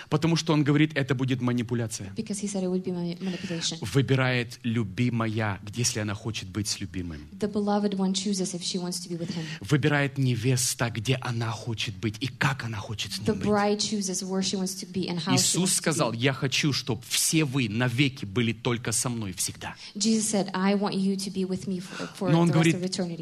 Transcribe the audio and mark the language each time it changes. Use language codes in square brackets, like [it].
[ru] Потому что он говорит, это будет манипуляция. [en] Because he said it would be manipulation. [ru] Выбирает любимая, если она хочет быть с любимым. [en] The beloved one chooses if she wants to be with him. [ru] Выбирает невеста, где она хочет быть и как она хочет с ним быть. [en] The bride chooses where she wants to be and how. [ru] Иисус сказал, я хочу, чтобы все вы навеки были только со мной всегда. [en] Jesus said, I want you to be with me for the rest of eternity.